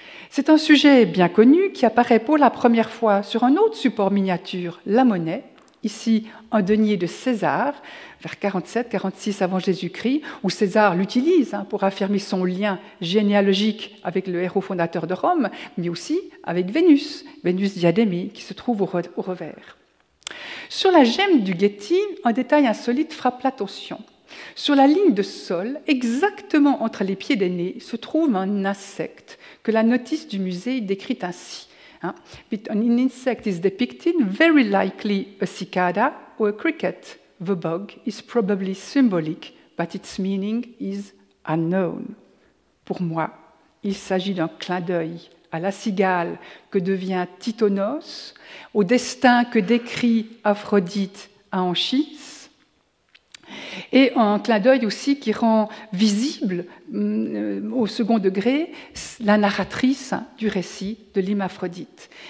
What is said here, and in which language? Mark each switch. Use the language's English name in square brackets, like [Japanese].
[French] C'est un sujet bien connu qui apparaît pour la première fois sur un autre support miniature, la monnaie, ici un denier de César, vers 47-46 avant Jésus-Christ, où César l'utilise pour affirmer son lien généalogique avec le héros fondateur de Rome, mais aussi avec Vénus, Vénus diadémée, qui se trouve au revers. Sur la gemme du Getty, un détail insolite frappe l'attention. Sur la ligne de sol, exactement entre les pieds d'Aîné, se trouve un insecte que la notice du musée décrit ainsi. [English] But an insect is depicted, very likely a cicada or a cricket. The bug is probably symbolic, but its meaning is unknown. [French] Pour moi, il s'agit d'un clin d'œil à la cigale que devient Titonos, au destin que décrit Aphrodite à Anchise, et un clin d'œil aussi qui rend visible au second degré la narratrice du récit de l'hymaphrodite.